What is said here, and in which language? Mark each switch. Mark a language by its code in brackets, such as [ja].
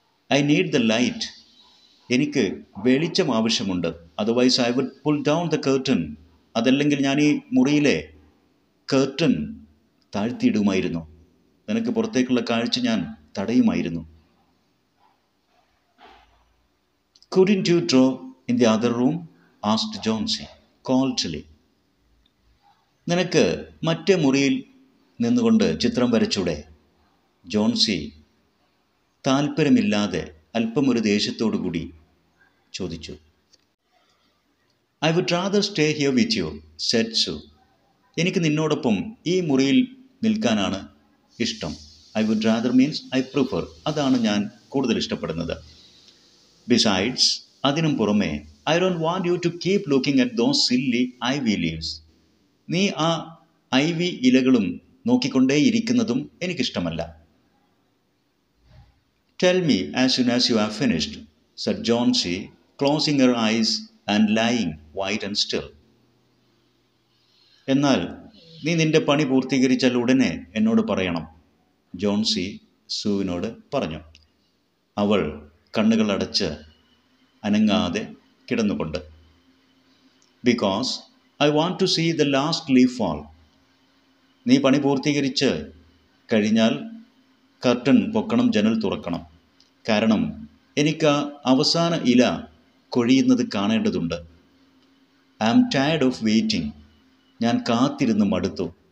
[en] I need the light, [ml] എനിക്ക് വെളിച്ചം ആവശ്യമുണ്ട്. [en] otherwise I would pull down the curtain, [ml] അതല്ലെങ്കിൽ ഞാൻ ഈ മുറിയിലെ കർട്ടൻ താഴ്ത്തിയിടുമായിരുന്നു, നിനക്ക് പുറത്തേക്കുള്ള കാഴ്ച ഞാൻ തടയുമായിരുന്നു. [en] Couldn't you draw in the other room? asked Jonesy coldly. [ml] നിനക്ക് മറ്റേ മുറിയിൽ നിന്നുകൊണ്ട് ചിത്രം വരച്ചൂടെ? ജോൺസി താല്പര്യമില്ലാതെ അല്പമൊരു ദേഷ്യത്തോടുകൂടി ചോദിച്ചു. [en] I would rather stay here with you, said Sue. [ml] എനിക്ക് നിന്നോടൊപ്പം ഈ മുറിയിൽ നിൽക്കാനാണ് ഇഷ്ടം. [en] I would rather means I prefer, [ml] അതാണ് ഞാൻ കൂടുതൽ ഇഷ്ടപ്പെടുന്നത്. [en] besides, [ml] അതിനും പുറമെ, [en] I don't want you to keep looking at those silly ivy leaves. [ml] നീ ആ ഐ വി ഇലകളും നോക്കിക്കൊണ്ടേയിരിക്കുന്നതും എനിക്കിഷ്ടമല്ല. [en] Tell me as soon as you have finished, said Jonesy, closing her eyes and lying white and still. [ml] എന്നാൽ നീ നിന്റെ പണി പൂർത്തീകരിച്ചാൽ ഉടനെ എന്നോട് പറയണം, ജോൺസി സൂവിനോട് പറഞ്ഞു. അവൾ കണ്ണുകൾ അടച്ച് അനങ്ങാതെ കിടന്നുകൊണ്ട്. [en] Because I want to see the last leaf fall. [ml] നീ പണി പൂർത്തീകരിച്ച് കഴിഞ്ഞാൽ കർട്ടൻ പൊക്കണം, ജനൽ തുറക്കണം. കാരണം എനിക്ക് ആ അവസാന ഇല കൊഴിയുന്നത് കാണേണ്ടതുണ്ട്. [en] I'm tired of waiting, [ml] ഞാൻ കാത്തിരുന്ന് മടുത്തു.